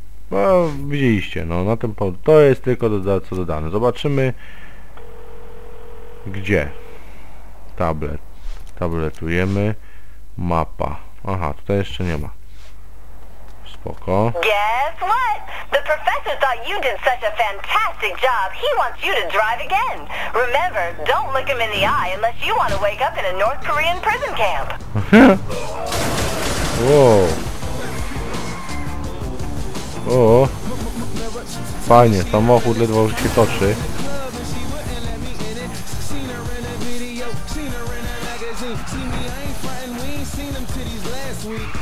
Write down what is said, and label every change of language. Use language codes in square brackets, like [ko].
[pl] No, widzieliście, no na tym to jest tylko co dodane. Zobaczymy, gdzie tablet. Tabletujemy. Mapa. Aha, tutaj jeszcze nie ma. Spoko. [en] Guess what? The professor thought you did such a fantastic job, he wants you to drive again. Remember, don't look him in the eye unless you want to wake up in a North Korean prison camp. Wow. [pl] O, fajnie, samochód ledwo już się toczy. [en] video, seen her in a magazine. See me, I ain't frightened, we ain't seen them titties last week.